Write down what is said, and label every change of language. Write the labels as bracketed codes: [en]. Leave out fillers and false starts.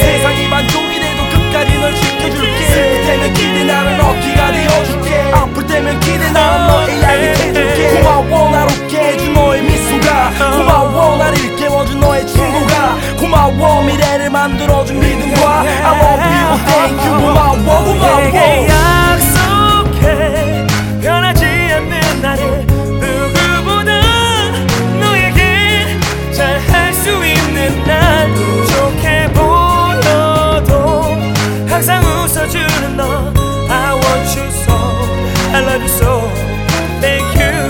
[ko] 세상이 만종이 돼도 끝까지 널 지켜줄게. 슬플 때면 기대 나는 어깨가 되어줄게. 아플 때면 기대 나는 너의 이야기 해줄게. 고마워 날 웃게 해준 너의 미소가. 고마워 날 일깨워준 너의 친구가. 고마워 미래를 만들어준 믿음과. [en] I love you, oh thank you, [ko] 고마워, 고마워. 내게 약속해 변하지 않는 나를. 누구보다 너에게 잘할 수 있는 날. 부족해 보여도 항상 웃어주는 너. [en] I want you so, I love you so, thank you.